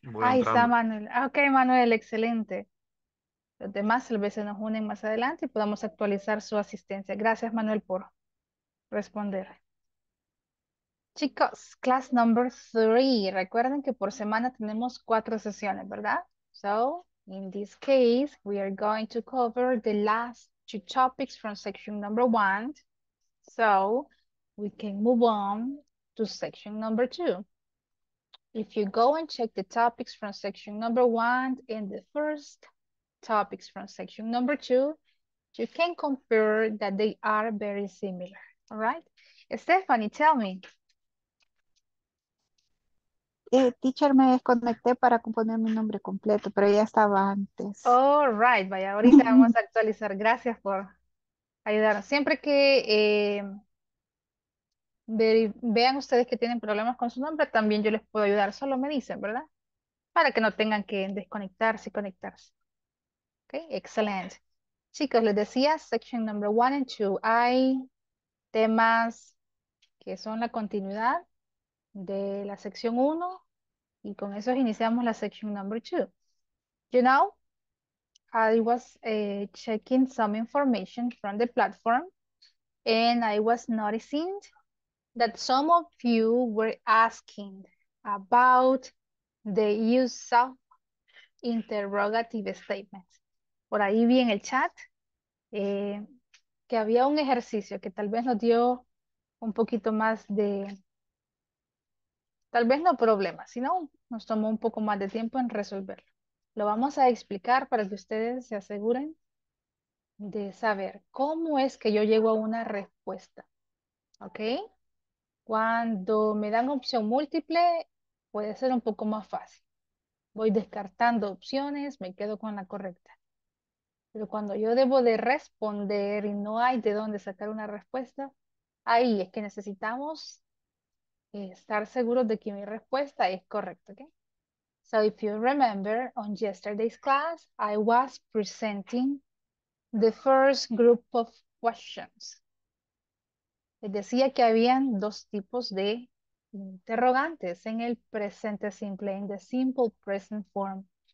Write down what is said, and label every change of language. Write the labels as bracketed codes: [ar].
[es] Ahí está Manuel. Okay, Manuel, excelente. Los demás tal vez se nos unen más adelante y podamos actualizar su asistencia. Gracias, Manuel, por responder. Chicos, [en] class number three. [es] Recuerden que por semana tenemos cuatro sesiones, ¿verdad? [en] So, in this case, we are going to cover the last two topics from section number one. So, we can move on to section number two. If you go and check the topics from section number one and the first topics from section number two, you can confirm that they are very similar. All right? Stephanie, tell me. [es] Teacher, me desconecté para componer mi nombre completo, pero ya estaba antes. All right, vaya, ahorita vamos a actualizar. Gracias por ayudar. Siempre que vean ustedes que tienen problemas con su nombre, también yo les puedo ayudar. Solo me dicen, ¿verdad? Para que no tengan que desconectarse y conectarse. Okay, excellent. Chicos, les decía, [en] section number one and two, [es] hay temas que son la continuidad de la sección 1 y con eso iniciamos la section number 2. [en] You know, I was checking some information from the platform and I was noticing that some of you were asking about the use of interrogative statements. [es] Por ahí vi en el chat que había un ejercicio que tal vez nos dio un poquito más de... Tal vez no problema, sino nos tomó un poco más de tiempo en resolverlo. Lo vamos a explicar para que ustedes se aseguren de saber cómo es que yo llego a una respuesta. ¿Ok? Cuando me dan opción múltiple, puede ser un poco más fácil. Voy descartando opciones, me quedo con la correcta. Pero cuando yo debo de responder y no hay de dónde sacar una respuesta, ahí es que necesitamos... estar seguro de que mi respuesta es correcta, okay? [en] So if you remember, on yesterday's class, I was presenting the first group of questions. [es] Les decía que habían dos tipos de interrogantes en el presente simple, [en] in the simple present form.